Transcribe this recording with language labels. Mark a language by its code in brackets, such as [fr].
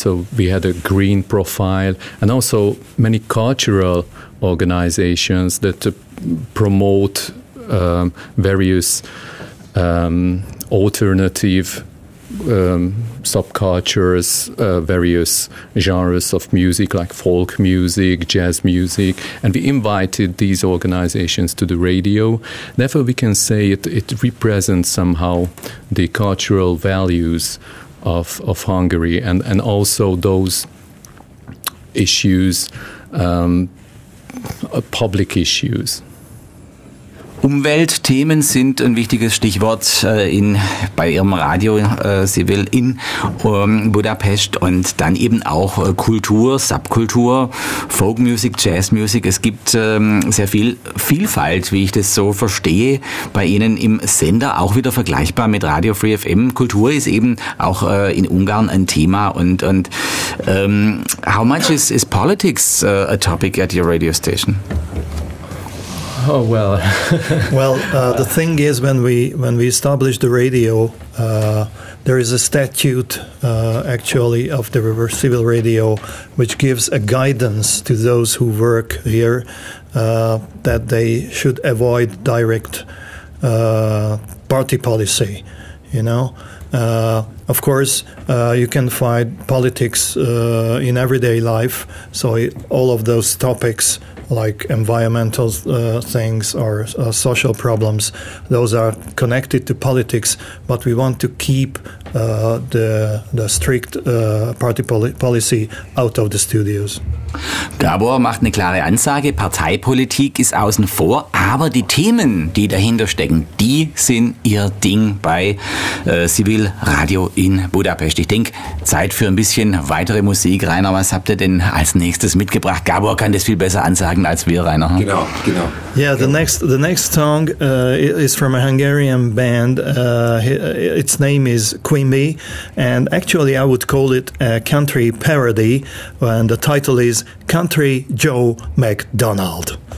[en] So we had a green profile and also many cultural organizations that promote various alternative subcultures, various genres of music like folk music, jazz music, and we invited these organizations to the radio. Therefore, we can say it represents somehow the cultural values of Hungary and also those issues, public issues. [de] Umweltthemen sind ein wichtiges Stichwort bei Ihrem Radio. Sie will in Budapest und dann eben auch Kultur, Subkultur, Folkmusik, Jazzmusik. Es gibt sehr viel Vielfalt, wie ich das so verstehe, bei Ihnen im Sender, auch wieder vergleichbar mit Radio Free FM. Kultur ist eben auch in Ungarn ein Thema. Und [en] how much is politics a topic at your radio station? Oh well. the thing is, when we established the radio, there is a statute actually of the River Civil Radio, which gives a guidance to those who work here that they should avoid direct party policy. You know, of course, you can find politics in everyday life. So all of those topics, like environmental things or social problems, those are connected to politics, but we want to keep the strict party policy out of the studios. [de] Gabor macht eine klare Ansage, Parteipolitik ist außen vor, aber die Themen, die dahinter stecken, die sind ihr Ding bei Civil Radio in Budapest. Ich denke, Zeit für ein bisschen weitere Musik. Rainer, was habt ihr denn als nächstes mitgebracht? Gabor kann das viel besser ansagen als wir, Rainer. Genau, genau. [en] Yeah, the next song is from a Hungarian band. Its name is Quimby, and actually I would call it a country parody, and the title is Country Joe McDonald.